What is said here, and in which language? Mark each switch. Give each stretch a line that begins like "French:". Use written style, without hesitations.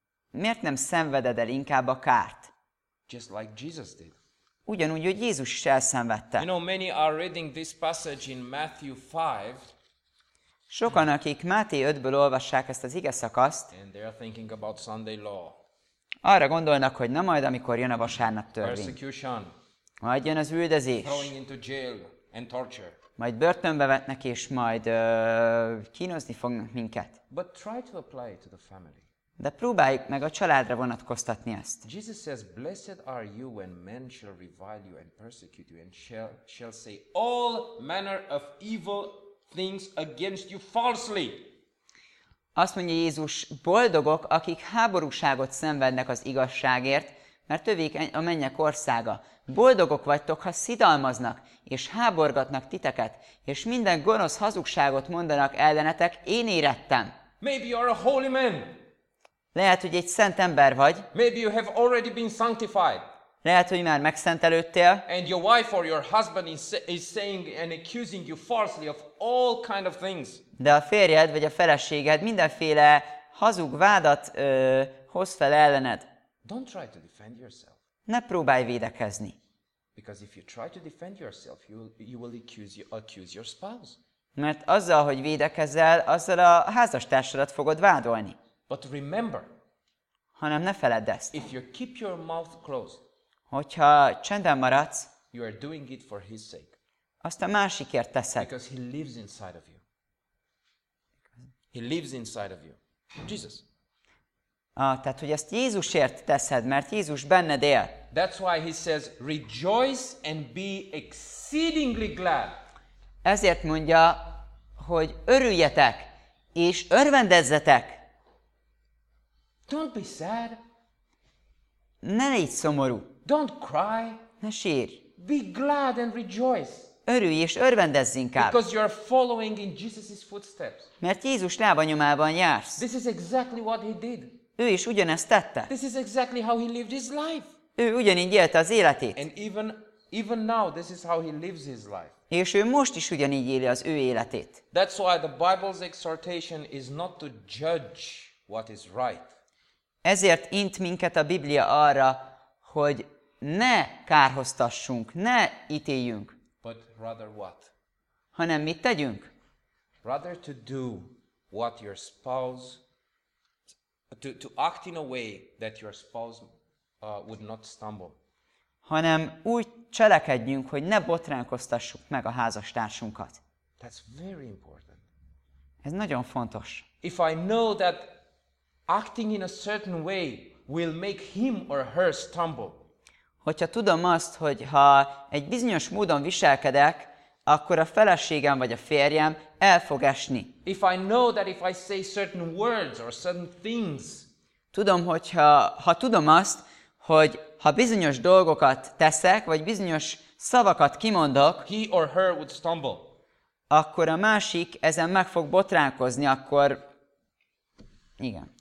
Hungarian: Miért nem szenveded el inkább a kárt?
English: Just like Jesus did.
Hungarian: Ugyanúgy, hogy Jézus is elszenvedte.
English: You know, many are reading this passage in Matthew 5.
Hungarian: Sokan, akik Máté 5-ből olvassák ezt az igeszakaszt,
English: and they are thinking about Sunday law.
Hungarian: Arra gondolnak, hogy na majd, amikor jön a vasárnap törvény.
English: Persecution.
Hungarian: Majd jön az üldözés.
English: Throwing into jail and torture.
Hungarian: Majd börtönbe vetnek, és majd kínozni fognak minket.
English: But try to apply it to the family.
Hungarian: De próbáljuk meg a családra vonatkoztatni ezt.
English: Jesus says, blessed are you when men shall revile you and persecute you and shall say all manner of evil things against you falsely.
Hungarian: Azt mondja Jézus, boldogok, akik háborúságot szenvednek az igazságért, mert övék a mennyek országa. Boldogok vagytok, ha szidalmaznak és háborgatnak titeket, és minden gonosz hazugságot mondanak ellenetek, én érettem.
English: Maybe you are a holy man.
Hungarian: Lehet, hogy egy szent ember vagy.
English: Maybe you have already been sanctified.
Hungarian: Lehet, hogy már megszentelődtél.
English: And your wife or your husband is saying and accusing you falsely of all kind of things.
Hungarian: De a férjed vagy a feleséged mindenféle hazug vádat hoz fel ellened.
English: Don't try to defend yourself.
Hungarian: Ne próbálj védekezni.
English: Because if you try to defend yourself, you will accuse your spouse.
Hungarian: Mert azzal, hogy védekezel, azzal a házastársadat fogod vádolni.
English: But remember,
Hungarian: hanem ne feledd ezt.
English: If you keep your mouth closed,
Hungarian: hogyha csendben maradsz,
English: you are doing it for his sake.
Hungarian: Azt a másikért teszed.
English: Because he lives inside of you. He lives inside of you. Jesus.
Hungarian: Tehát, hogy ezt Jézusért teszed, mert Jézus benned él.
English: That's why he says, rejoice and be exceedingly glad.
Hungarian: Ezért mondja, hogy örüljetek, és örvendezzetek.
English: Don't be sad.
Hungarian: Ne légy szomorú.
English: Don't cry.
Hungarian: Ne sírj.
English: Be glad and rejoice.
Hungarian: Örülj és örvendezz inkább.
English: Because you are following in Jesus's footsteps.
Hungarian: Mert Jézus lábanyomában jársz.
English: This is exactly what he did.
Hungarian: Ő is ugyanezt tette.
English: This is exactly how he lived his life.
Hungarian: Ő ugyanígy élte az életét.
English: And even now this is how he lives his life.
Hungarian: És ő most is ugyanígy éli az ő életét.
English: That's why the Bible's exhortation is not to judge what is right.
Hungarian: Ezért int minket a Biblia arra, hogy ne kárhoztassunk, ne ítéljünk.
English: But rather what?
Hungarian: Hanem mit tegyünk?
English: Rather to do what your spouse to act in a way that your spouse would not stumble.
Hungarian: Hanem úgy cselekedjünk, hogy ne botránkoztassuk meg a házastársunkat.
English: That's very important.
Hungarian: Ez nagyon fontos.
English: If I know that acting in a certain way will make him or her stumble.
Hungarian: Hogyha tudom azt, hogy ha egy bizonyos módon viselkedek, akkor a feleségem vagy a férjem el fog esni.
English: If I know that if I say certain words or certain things.
Hungarian: Tudom, hogyha tudom azt, hogy ha bizonyos dolgokat teszek, vagy bizonyos szavakat kimondok,
English: he or her would stumble.
Hungarian: Akkor a másik ezen meg fog botránkozni, akkor igen.